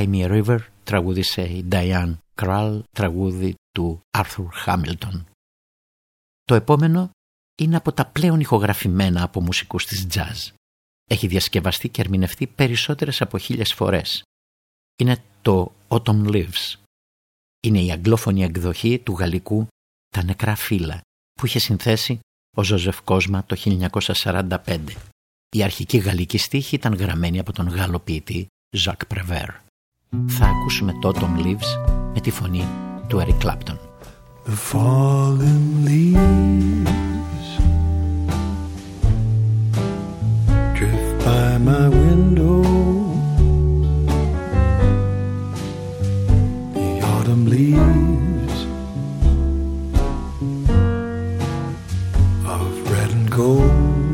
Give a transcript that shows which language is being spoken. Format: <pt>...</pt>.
<el>River, τραγούδισε η Diane Krall, τραγούδι του Arthur Hamilton. Το επόμενο είναι από τα πλέον ηχογραφημένα από μουσικούς της jazz. Έχει διασκευαστεί και ερμηνευτεί περισσότερες από 1000 φορές. Είναι το Autumn Leaves. Είναι η αγγλόφωνη εκδοχή του γαλλικού «Τα νεκρά φύλλα» που είχε συνθέσει ο Ζωζεφ Κόσμα το 1945. Η αρχική γαλλική στίχη ήταν γραμμένη από τον Γάλλο ποιητή Ζακ Πρεβέρ. Θα ακούσουμε το Autumn Leaves με τη φωνή του Eric Clapton.</el> <en>The fallen leaves drift by my window. The autumn leaves of red and gold.</en>